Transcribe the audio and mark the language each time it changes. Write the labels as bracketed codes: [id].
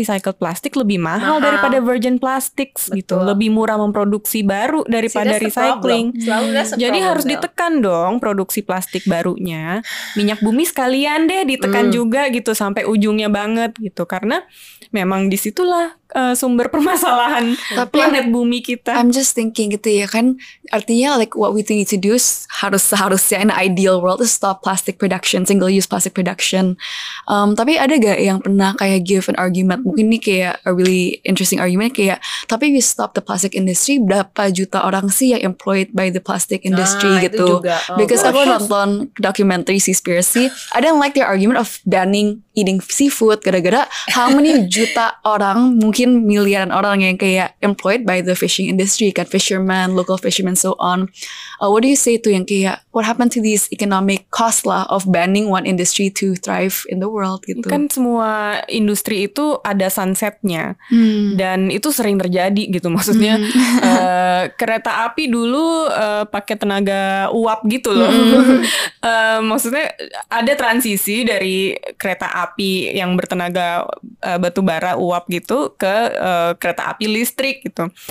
[id] Recycled plastik lebih mahal daripada virgin plastics. Betul. Gitu. Lebih murah memproduksi baru daripada recycling. Jadi harus ditekan dong produksi plastik barunya. Minyak bumi sekalian deh ditekan juga gitu sampai ujungnya banget gitu. Karena memang disitulah sumber permasalahan planet bumi kita. [en] I'm just thinking [id] gitu ya kan, artinya [en] like what we need to do [id] seharusnya [en] in ideal world is stop plastic production, single use plastic production. [id] Tapi ada gak yang pernah kayak [en] give an argument, [id] mungkin ini kayak [en] a really interesting argument, [id] kayak tapi [en] we stop the plastic industry, [id] berapa juta orang sih yang [en] employed by the plastic industry [id] gitu. [en] Because [id] aku nonton [en] documentary Seaspiracy, I don't like their argument of banning eating seafood [id] gara-gara [en] how many [id] juta orang, mungkin miliaran orang yang kayak [en] employed by the fishing industry, kan fishermen, local fishermen, so on. What do you say to [id] yang kayak, [en] what happened to these economic cost [id] lah [en] of banning one industry to thrive in the world [id] gitu? Kan semua industri itu ada sunsetnya, dan itu sering terjadi gitu. Maksudnya kereta api dulu pakai tenaga uap gitu loh. Maksudnya ada transisi dari kereta api yang bertenaga batu bara uap gitu ke kereta api listrik gitu.